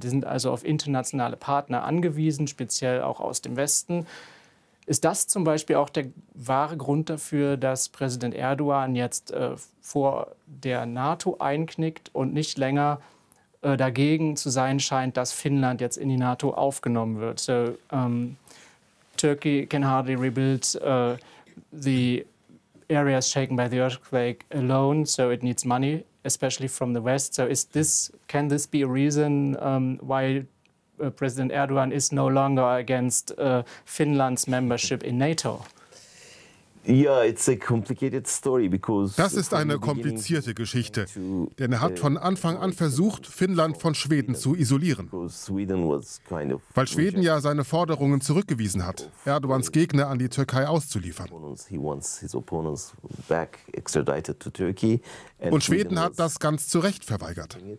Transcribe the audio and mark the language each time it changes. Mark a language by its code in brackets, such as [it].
[de] Die sind also auf internationale Partner angewiesen, speziell auch aus dem Westen. Ist das zum Beispiel auch der wahre Grund dafür, dass Präsident Erdogan jetzt vor der NATO einknickt und nicht länger dagegen zu sein scheint, dass Finnland jetzt in die NATO aufgenommen wird? [en] So, Turkey can hardly rebuild the areas shaken by the earthquake alone, so it needs money, especially from the West. So is this, can this be a reason why President Erdogan is no longer against Finland's membership in NATO? Yeah, it's a complicated story because [de] das ist eine komplizierte Geschichte, denn er hat von Anfang an versucht, Finnland von Schweden zu isolieren, weil Schweden ja seine Forderungen zurückgewiesen hat, Erdogans Gegner an die Türkei auszuliefern. Und Schweden hat das ganz zu Recht verweigert.